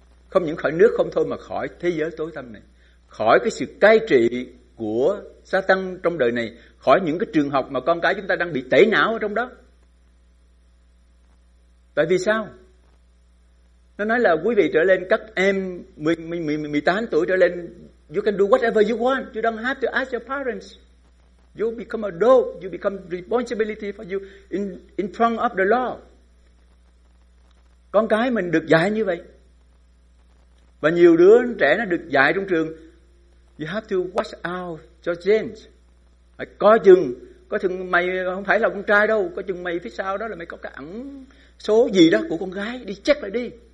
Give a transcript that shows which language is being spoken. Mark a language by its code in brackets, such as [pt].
[vi] Không những khỏi nước không thôi mà khỏi thế giới tối tăm này, khỏi cái sự cai trị của Satan trong đời này, khỏi những cái trường học mà con cái chúng ta đang bị tẩy não ở trong đó. Tại vì sao? Nó nói là quý vị trở lên, các em 18 tuổi trở lên, [en] you can do whatever you want, you don't have to ask your parents. You become adult, you become responsibility for you in front of the law. [vi] Con cái mình được dạy như vậy. Và nhiều đứa trẻ nó được dạy trong trường, [en] you have to watch out your genes. [vi] Có chừng mày không phải là con trai đâu, có chừng mày phía sau đó là mày có cái ẩn số gì đó của con gái, đi check lại đi.